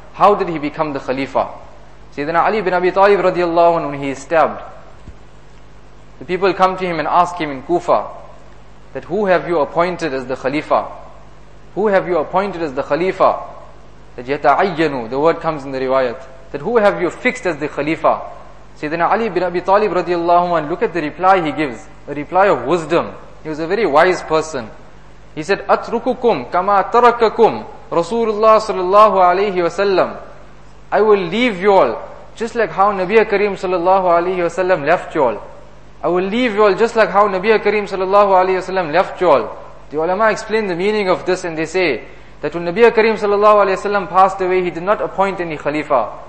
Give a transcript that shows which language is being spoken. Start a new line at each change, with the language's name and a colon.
English: How did he become the Khalifa? Sayyidina Ali bin Abi Talib radiallahu an, when he is stabbed, the people come to him and ask him in Kufa, that who have you appointed as the Khalifa? Who have you appointed as the Khalifa? That yata'ayyanu, the word comes in the riwayat, that who have you fixed as the Khalifa? Sayyidina Ali bin Abi Talib radiallahu an, look at the reply he gives, a reply of wisdom. He was a very wise person. He said,
Arabic: أَتْرُكُكُمْ كَمَا تَرَكَكُمْ رَسُولُ اللَّهِ صَلَى اللَّهُ عَلَيْهِ وَسَلَّمْ.
English: I will leave you all just like how Nabiya Kareem sallallahu alayhi wa sallam left you all. I will leave you all just like how Nabiya Kareem sallallahu alayhi wa sallam left you all. The ulama explain the meaning of this, and they say that when Nabiya Kareem sallallahu alayhi wa sallam passed away, he did not appoint any khalifa.